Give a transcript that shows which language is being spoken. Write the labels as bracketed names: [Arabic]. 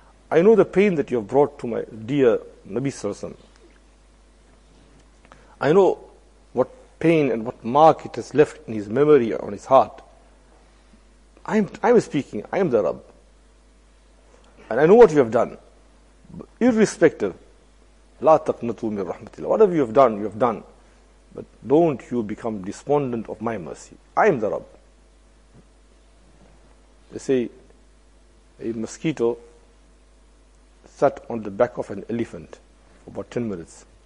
[English] I know the pain that you have brought to my dear Nabi Sallallahu Alaihi Wasallam. I know what pain and what mark it has left in his memory or on his heart. I am speaking, I am the Rabb. And I know what you have done. Irrespective, [Arabic] لا تقنطوا من رحمة الله. [English] Whatever you have done, you have done. But don't you become despondent of my mercy. I am the Rabb. They say, a mosquito sat on the back of an elephant for about 10 minutes.